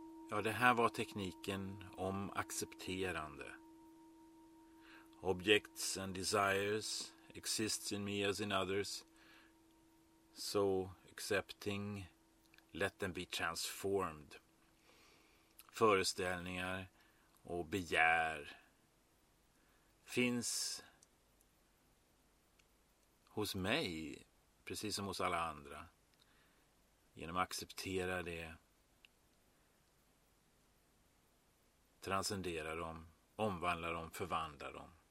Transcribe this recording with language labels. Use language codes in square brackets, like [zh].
[sv] Ja, det här var tekniken om accepterande. [en] Objects and desires exists in me as in others. So accepting, let them be transformed. [sv] Föreställningar och begär finns hos mig, precis som hos alla andra. Genom att acceptera det, transcendera dem, omvandla dem, förvandla dem.